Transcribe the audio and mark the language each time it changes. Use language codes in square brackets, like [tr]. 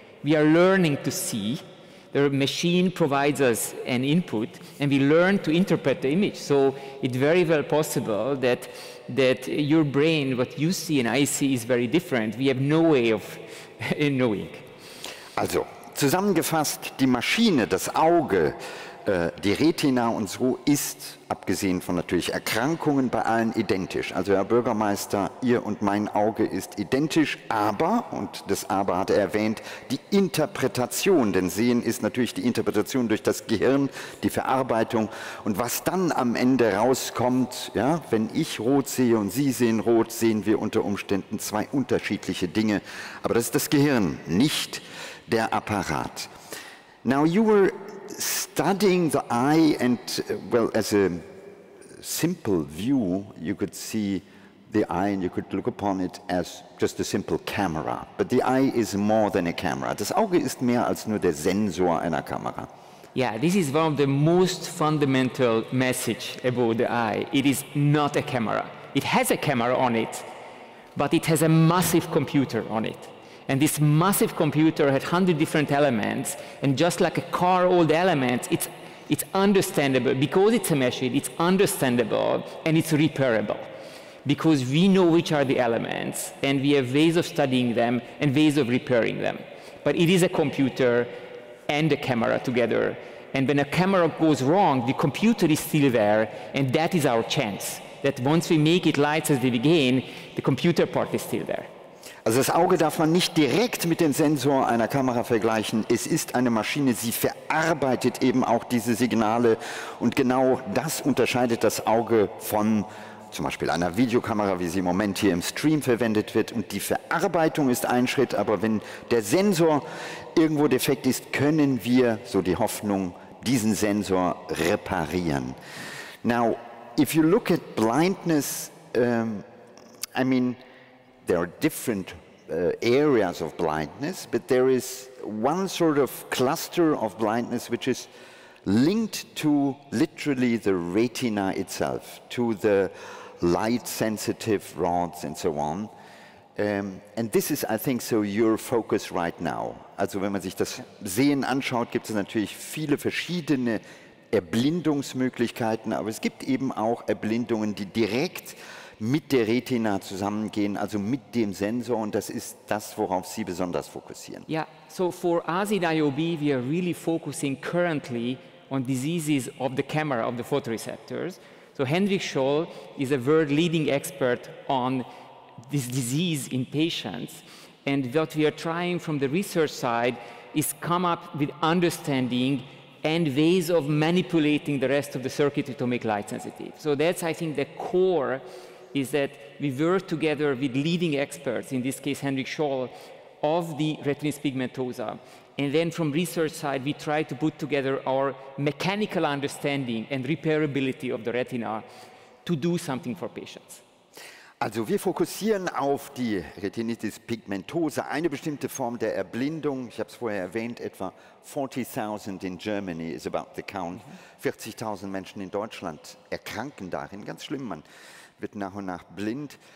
[en] We are learning to see. The machine provides us an input, and we learn to interpret the image. So it's very well possible that your brain, what you see and I see, is very different. We have no way of knowing. [de] Also, zusammengefasst, die Maschine, das Auge, die Retina und so ist, abgesehen von natürlich Erkrankungen, bei allen identisch. Also Herr Bürgermeister, Ihr und mein Auge ist identisch, aber, und das Aber hat er erwähnt, die Interpretation, denn Sehen ist natürlich die Interpretation durch das Gehirn, die Verarbeitung. Und was dann am Ende rauskommt, ja, wenn ich rot sehe und Sie sehen rot, sehen wir unter Umständen zwei unterschiedliche Dinge. Aber das ist das Gehirn, nicht der Apparat. [en] Now you were studying the eye and, well, as a simple view, you could see the eye and you could look upon it as just a simple camera. But the eye is more than a camera. [de] Das Auge ist mehr als nur der Sensor einer Kamera. [en] Yeah, this is one of the most fundamental message about the eye. It is not a camera. It has a camera on it, but it has a massive computer on it. And this massive computer had 100 different elements, and just like a car, all the elements, it's understandable. Because it's a machine, it's understandable, and it's repairable. Because we know which are the elements, and we have ways of studying them and ways of repairing them. But it is a computer and a camera together. And when a camera goes wrong, the computer is still there, and that is our chance. That once we make it light as they begin, the computer part is still there. [de] Also das Auge darf man nicht direkt mit dem Sensor einer Kamera vergleichen. Es ist eine Maschine, sie verarbeitet eben auch diese Signale. Und genau das unterscheidet das Auge von zum Beispiel einer Videokamera, wie sie im Moment hier im Stream verwendet wird. Und die Verarbeitung ist ein Schritt, aber wenn der Sensor irgendwo defekt ist, können wir, so die Hoffnung, diesen Sensor reparieren. [en] Now, if you look at blindness, I mean, there are different areas of blindness, but there is one sort of cluster of blindness which is linked to literally the retina itself, to the light-sensitive rods and so on. And this is, I think, so your focus right now. [de] Also wenn man sich das Sehen anschaut, gibt es natürlich viele verschiedene Erblindungsmöglichkeiten, aber es gibt eben auch Erblindungen, die direkt mit der Retina zusammengehen, also mit dem Sensor, und das ist das, worauf Sie besonders fokussieren. [en] Yeah, so for AZID IOB, we are really focusing currently on diseases of the camera, of the photoreceptors. So Hendrik Scholl is a world-leading expert on this disease in patients, and what we are trying from the research side is come up with understanding and ways of manipulating the rest of the circuitry to make light sensitive. So that's, I think, the core is that we work together with leading experts, in this case Hendrik Scholl, of the retinitis pigmentosa. And then from research side, we try to put together our mechanical understanding and repairability of the retina to do something for patients. [de] Also wir fokussieren auf die Retinitis pigmentosa, eine bestimmte Form der Erblindung. Ich habe es vorher erwähnt, etwa 40.000 [en] in Germany is about the count. [de] 40.000 Menschen in Deutschland erkranken darin. Ganz schlimm, man wird nach und nach blind.